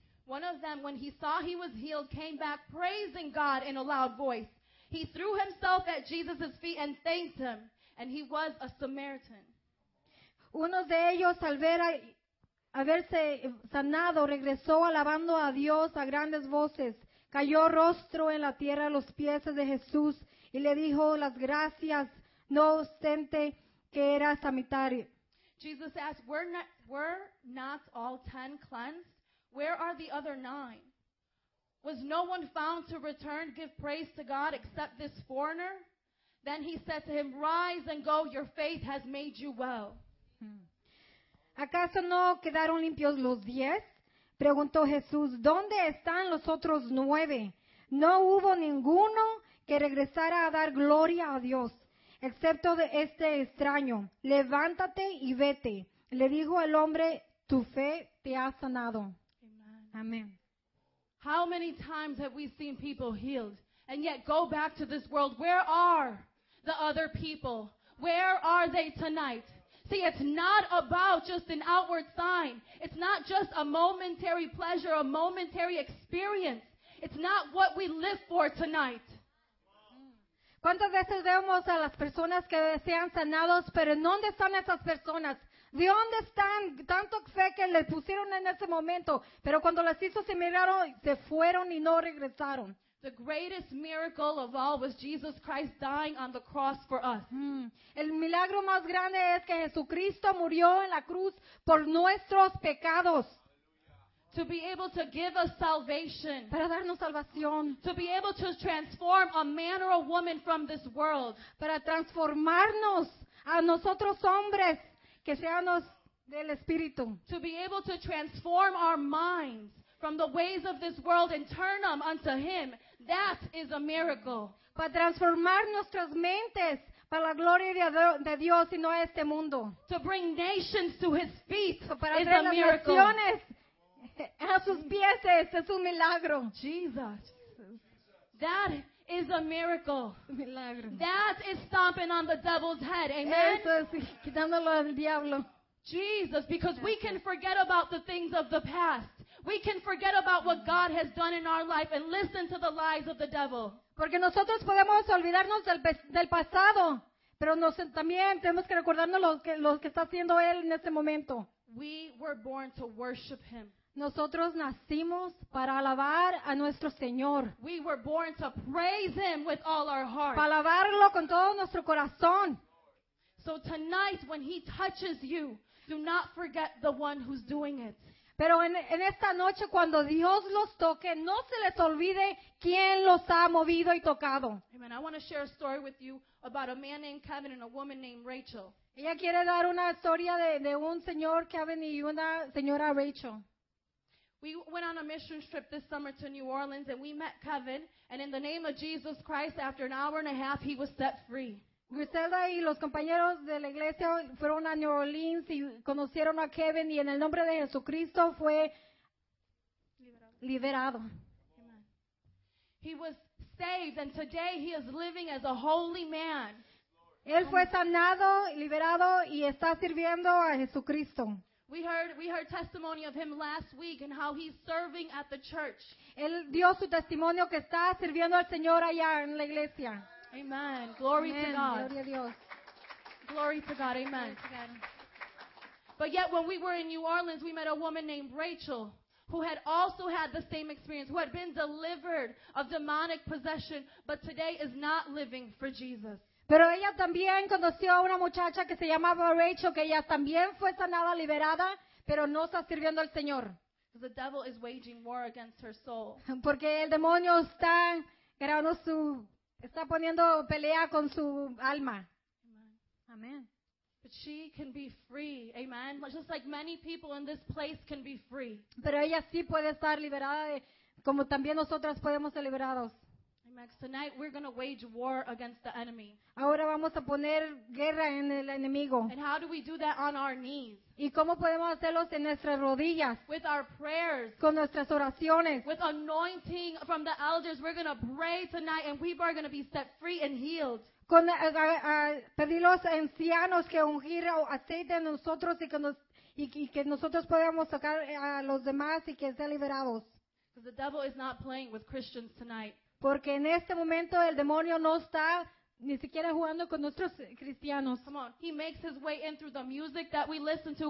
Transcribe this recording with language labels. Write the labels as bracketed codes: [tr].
[en] One of them, when he saw he was healed, came back praising God in a loud voice. He threw himself at Jesus' feet and thanked him, and he was a Samaritan. [es] Uno de ellos, al ver haberse sanado, regresó alabando a Dios a grandes voces. Cayó rostro en la tierra a los pies de Jesús y le dijo las gracias, no obstante que era samaritano. [en] Jesus asked, were not all 10 cleansed? Where are the other 9? Was no one found to return, give praise to God, except this foreigner? Then he said to him, rise and go, your faith has made you well. [es] ¿Acaso no quedaron limpios los 10? Preguntó Jesús, ¿dónde están los otros 9? No hubo ninguno que regresara a dar gloria a Dios, excepto de este extraño. Levántate y vete. Le dijo el hombre, tu fe te ha sanado. Amén. [en] How many times have we seen people healed and yet go back to this world? Where are the other people? Where are they tonight? See, it's not about just an outward sign. It's not just a momentary pleasure, a momentary experience. It's not what we live for tonight. [es] ¿Cuántas veces vemos a las personas que sean sanados, pero dónde están esas personas? ¿De dónde están tanto fe que le pusieron en ese momento? Pero cuando las hizo, se miraron, se fueron y no regresaron. [en] The greatest miracle of all was Jesus Christ dying on the cross for us. [es] El milagro más grande es que Jesucristo murió en la cruz por nuestros pecados. [en] To be able to give us salvation. [es] Para darnos salvación. [en] To be able to transform a man or a woman from this world. [es] Para transformarnos a nosotros hombres. Que seamos del Espíritu. [en] To be able to transform our minds from the ways of this world and turn them unto Him, that is a miracle. [es] Para transformar nuestras mentes para la gloria de Dios y no a este mundo. [en] To bring nations to His feet is a miracle. [es] Para traer las naciones a sus pies es un milagro. [en] Jesus. That is a miracle. [es] Milagro. [en] That is stomping on the devil's head. Amen. [es] Eso es, quitándolo al diablo. [en] Jesus, because we can forget about the things of the past. We can forget about what God has done in our life and listen to the lies of the devil. [es] Porque nosotros podemos olvidarnos del pasado, pero también tenemos que recordarnos lo que está haciendo Él en este momento. [en] We were born to worship Him. [es] Nosotros nacimos para alabar a nuestro Señor. [en] We were born to praise Him with all our heart. [es] Para alabarlo con todo nuestro corazón. [en] So tonight, when He touches you, do not forget the one who's doing it. [es] Pero en esta noche, cuando Dios los toque, no se les olvide quién los ha movido y tocado. [en] Amen. I want to share a story with you about a man named Kevin and a woman named Rachel. [es] Ella quiere dar una historia de un señor Kevin y una señora Rachel. [en] We went on a mission trip this summer to New Orleans, and we met Kevin, and in the name of Jesus Christ, after an hour and a half, he was set free. [es] Griselda y los compañeros de la iglesia fueron a New Orleans y conocieron a Kevin, y en el nombre de Jesucristo fue liberado. [en] He was saved, and today he is living as a holy man. [es] Él fue sanado, liberado, y está sirviendo a Jesucristo. [en] We heard testimony of him last week and how he's serving at the church. [es] Él dio su testimonio que está sirviendo al Señor allá en la iglesia. [en] Amen. Glory Amen. To God. [es] Gloria a Dios. [en] Glory to God. Amen. But yet when we were in New Orleans, we met a woman named Rachel who had also had the same experience, who had been delivered of demonic possession, but today is not living for Jesus. [es] Pero ella también conoció a una muchacha que se llamaba Rachel, que ella también fue sanada, liberada, pero no está sirviendo al Señor. [en] The devil is waging war against her soul. [es] Porque el demonio está grabando está poniendo pelea con su alma. [en] Amen. But she can be free, amen. Just like many people in this place can be free. [es] Pero ella sí puede estar liberada, como también nosotras podemos ser liberados. [en] Tonight we're going to wage war against the enemy. [es] Ahora vamos a poner guerra en el enemigo. [en] And how do we do that on our knees? [es] ¿Y cómo podemos hacerlos en nuestras rodillas? [en] With our prayers. [es] Con nuestras oraciones. [en] With anointing from the elders, we're going to pray tonight and people are going to be set free and healed. [es] Con pedir los ancianos que ungir aceite en nosotros y que nosotros podamos tocar a los demás y que sean liberados. [en] Because the devil is not playing with Christians tonight. [es] Porque en este momento el demonio no está ni siquiera jugando con nuestros cristianos. [en] Come on, he makes his way in through the music that we listen to.